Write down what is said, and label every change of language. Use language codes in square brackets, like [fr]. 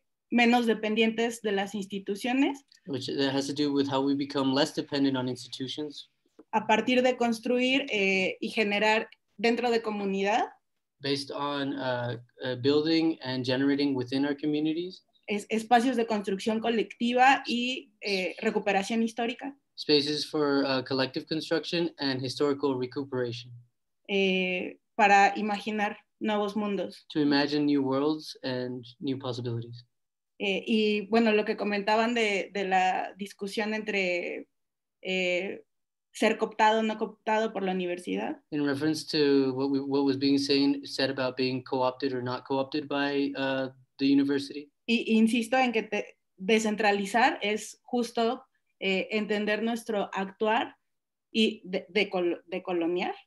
[es] menos dependientes de las instituciones. [en] Which has to do with how we become less dependent on institutions. [es] A partir de construir y generar dentro de comunidad. [en] Based on building and generating within our communities. [es] Espacios de construcción colectiva y recuperación histórica. [en] Spaces for collective construction and historical recuperation. [es] Para imaginar nuevos mundos. [en] To imagine new worlds and new possibilities. [es] Y bueno, lo que comentaban de la discusión entre ser cooptado o no cooptado por la universidad. [en] In reference to what was being said about being co-opted or not co-opted by the university. [es] Y insisto en que descentralizar es justo entender nuestro actuar y decolonial.